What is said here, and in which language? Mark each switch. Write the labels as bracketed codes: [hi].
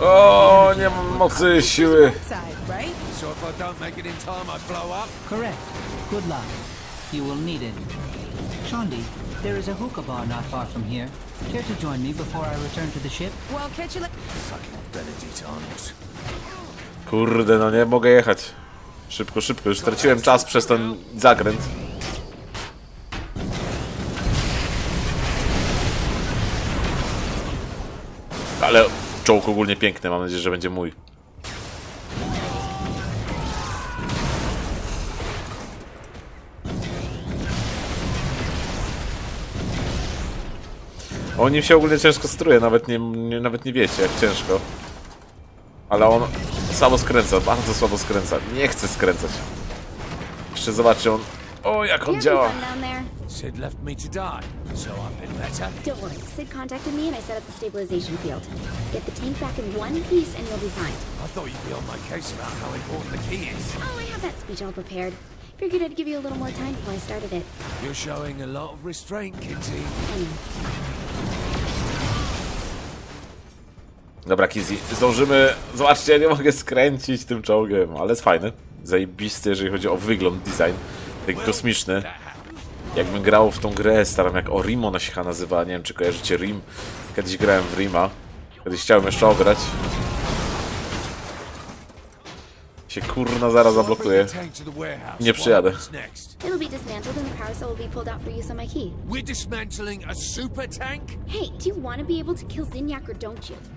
[en] Oh, [pl] nie mam mocy siły. [en] So if I don't make it in time, I blow up. Correct. Good luck. You will need it. Shondi, there is a hookah bar not far from here. Care to join me before I return to the ship? Well, catch you later. [pl] Kurde, no nie mogę jechać. Szybko, szybko. Już straciłem czas przez ten zakręt. Ale czołg ogólnie piękny. Mam nadzieję, że będzie mój. O nim się ogólnie ciężko struje, nawet nie wiecie, jak ciężko. Ale on słabo skręca, bardzo słabo skręca. Nie chce skręcać. Jeszcze zobaczcie on. O, jak on działa. [en] Sid left me to die, so I've been better. Don't worry, Sid contacted me and I set up the stabilization field. Get the tank back in one piece and you'll be fine. I thought you'd be on my case about how important the key is. Oh, I have that speech all prepared. Figured I'd give you a little more time before I started it. You're showing a lot of restraint, Kinsey. [pl] Dobra, Kizzy, zdążymy. Zobaczcie, ja nie mogę skręcić tym czołgiem, ale jest fajny. Zajebisty, jeżeli chodzi o wygląd, design. Taki kosmiczny. Jakbym grał w tą grę, staram, jak o Rim ona się nazywa. Nie wiem, czy kojarzycie Rim. Kiedyś grałem w Rima. Kiedyś chciałem jeszcze ograć. Się kurna zaraz zablokuje. Nie przyjadę. [en] It'll be dismantled and the power cell will be pulled out for use on my key. We're dismantling a super tank? Hey, do you want to be able to kill Zinyak or don't you?